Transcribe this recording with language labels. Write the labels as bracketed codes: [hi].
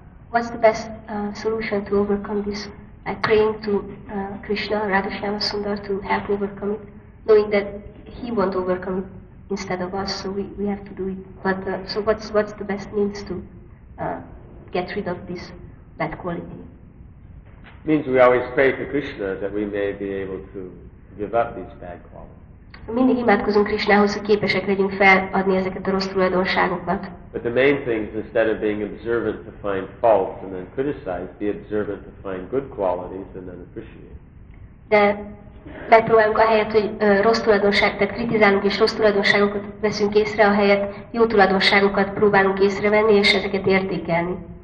[en] What's the best solution to overcome this? Like praying to Krishna, Radha Shyama Sundar, to help overcome it, knowing that he won't overcome it instead of us, so we have to do it. But so what's the best means to get rid of this bad quality? Means we always pray to Krishna that we may be able to give up these bad qualities. [hu] Mindig imádkozunk Krishnához, hogy képesek legyünk feladni ezeket a rossz tulajdonságokat. [en] But the main thing is, instead of being observant to find faults and then criticize, be observant to find good qualities and then appreciate. [hu] De megpróbálunk ahelyett, hogy rossz tulajdonságokat, tehát kritizálunk és rossz tulajdonságokat veszünk észre, ahelyett jó tulajdonságokat próbálunk észrevenni és ezeket értékelni.